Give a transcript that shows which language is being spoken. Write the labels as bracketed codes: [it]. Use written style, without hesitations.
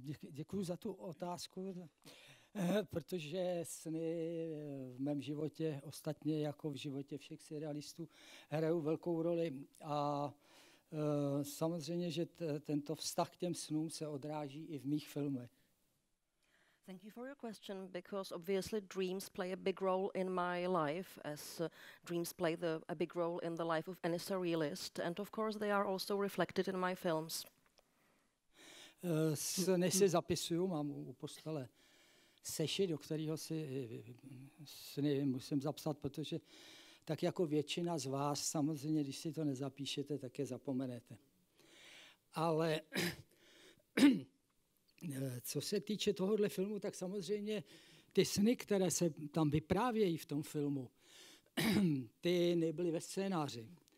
[cs] Děkuju za tu otázku, protože sny v mém životě, ostatně jako v životě všech surrealistů, hrajou velkou roli. A samozřejmě, že tento vztah k těm snům se odráží i v mých filmech. [en] Thank you for your question, because obviously dreams play a big role in my life, as dreams play a big role in the life of any surrealist, and of course they are also reflected in my films. [cs] Sny si zapisuju, mám u postele sešit, do kterého si sny musím zapsat, protože tak jako většina z vás, samozřejmě, když si to nezapíšete, tak je zapomenete. Ale co se týče tohohle filmu, tak samozřejmě ty sny, které se tam vyprávějí v tom filmu, ty nebyly ve scénáři.